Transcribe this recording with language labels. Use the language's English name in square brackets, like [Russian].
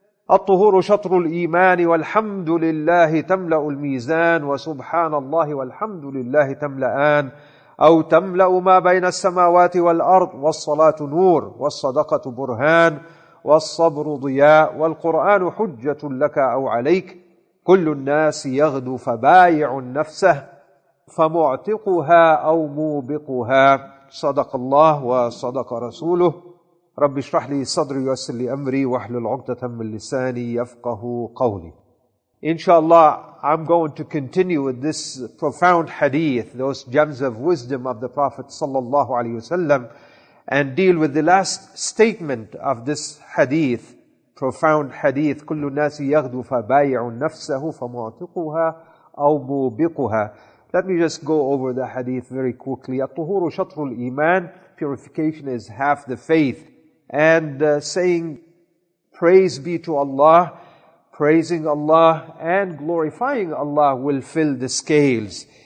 [Arabic] الطهور شطر الإيمان، والحمد لله تملأ الميزان، وسبحان الله والحمد لله تملأان، أو تملأ ما بين السماوات والأرض، والصلاة نور، والصدقة برهان، والصبر ضياء، والقرآن حجة لك أو عليك، كل الناس يغدو فبايع نفسه فمعتقها أو موبقها. صدق الله وصدق رسوله. رب اشرح لي صدري ويسر لي أمري واحلل عقدة من لساني يفقه قولي. [English] إن شاء الله I'm going to continue with this profound hadith, those gems of wisdom of the Prophet صلى الله عليه وسلم, and deal with the last statement of this hadith, profound hadith. [Arabic] كل الناس يغدو فبايع نفسه فمعتقها أو موبقها. [English] Let me just go over the hadith very quickly. [Arabic] At-tuhuru shatrul iman, [English] purification is half the faith. And saying, praise be to Allah, praising Allah and glorifying Allah will fill the scales.